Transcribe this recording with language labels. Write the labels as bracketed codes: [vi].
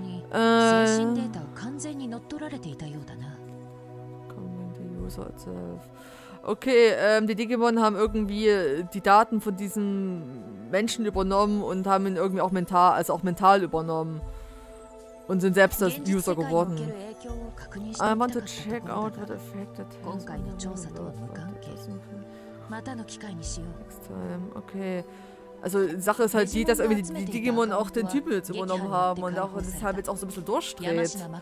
[de] Okay, die Digimon haben irgendwie die Daten von diesen Menschen übernommen und haben ihn irgendwie auch mental, also auch mental übernommen. Und sind selbst das User geworden. [en] I want to check out what affected him. Okay. [de] Also die Sache ist halt die, dass irgendwie die Digimon auch den Typen jetzt übernommen haben und auch deshalb jetzt auch so ein bisschen durchdreht.